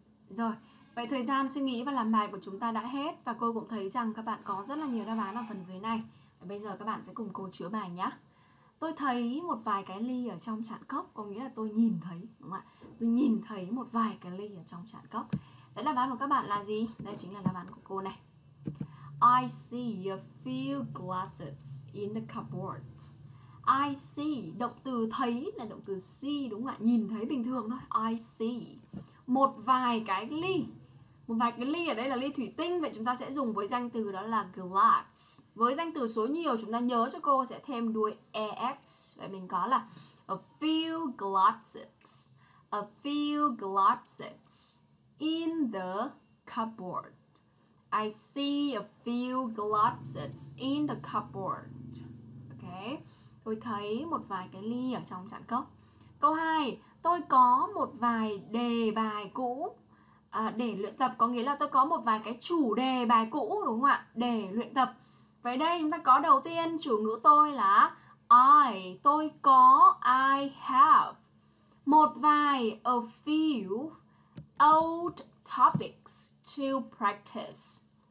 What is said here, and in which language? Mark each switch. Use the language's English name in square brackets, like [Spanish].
[Vietnamese] Rồi, vậy thời gian suy nghĩ và làm bài của chúng ta đã hết và cô cũng thấy rằng các bạn có rất là nhiều đáp án ở phần dưới này. Và bây giờ các bạn sẽ cùng cô chữa bài nhé. Tôi thấy một vài cái ly ở trong chạn cốc, có nghĩa là tôi nhìn thấy, đúng không ạ? Tôi nhìn thấy một vài cái ly ở trong chạn cốc. Đấy, đáp án của các bạn là gì? Đây chính là đáp án của cô này. [English] I see a few glasses in the cupboard. I see, [Vietnamese] động từ thấy là động từ see, đúng không ạ? Nhìn thấy bình thường thôi. [English] I see [Vietnamese] một vài cái ly. Một vài cái ly ở đây là ly thủy tinh. Vậy chúng ta sẽ dùng với danh từ đó là glass. Với danh từ số nhiều, chúng ta nhớ cho cô sẽ thêm đuôi es. Vậy mình có là [English] a few glasses, a few glasses in the cupboard. I see a few glasses in the cupboard. [Vietnamese] Ok, tôi thấy một vài cái ly ở trong chạn cốc. Câu 2, tôi có một vài đề bài cũ để luyện tập, có nghĩa là tôi có một vài cái chủ đề bài cũ, đúng không ạ? Để luyện tập. Vậy đây chúng ta có đầu tiên chủ ngữ tôi là I, tôi có, [English] I have [Vietnamese] một vài, [English] a few old topics to practice.